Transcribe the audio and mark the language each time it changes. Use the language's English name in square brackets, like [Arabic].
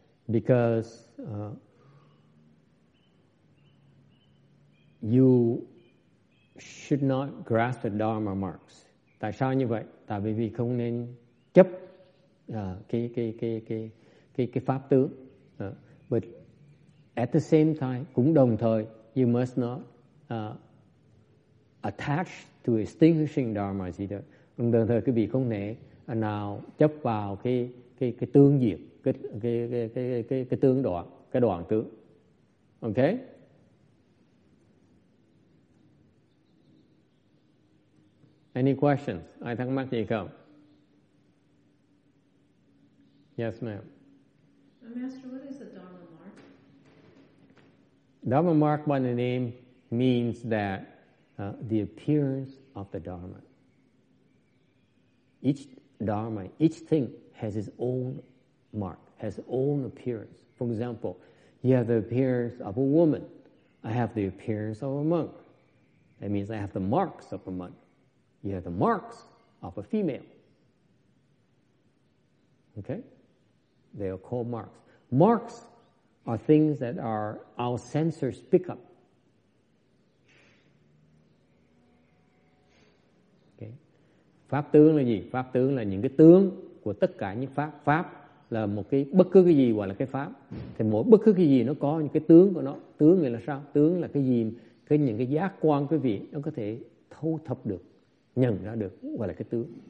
[English] Because you should not grasp the Dharma marks. [Vietnamese] Tại sao như vậy? Tại vì không nên chấp cái pháp tướng. [English] But at the same time, [Vietnamese] cũng đồng thời, [English] you must not attach to extinguishing Dharma either. [Vietnamese] Cũng đồng thời, quý vị không thể nào chấp vào cái tương diệt, cái tương đoạn, cái đoạn tướng. [English] Okay? Any questions? [Vietnamese] Ai thắc mắc gì không? [English] Yes, ma'am. Master, what is the Dharma mark? Dharma mark by the name means that the appearance of the Dharma. Each Dharma, each thing has its own mark, has its own appearance. For example, you have the appearance of a woman. I have the appearance of a monk. That means I have the marks of a monk. You have the marks of a female. Okay? They are called marks. Marks are things that our senses pick up. [Vietnamese] Okay? Pháp tướng là gì? Pháp tướng là những cái tướng của tất cả những pháp. Pháp là một cái bất cứ cái gì gọi là cái pháp. Thì mỗi bất cứ cái gì nó có những cái tướng của nó. Tướng nghĩa là sao? Tướng là cái gì, cái những cái giác quan quý vị nó có thể thu thập được, nhận ra được, gọi là cái tướng.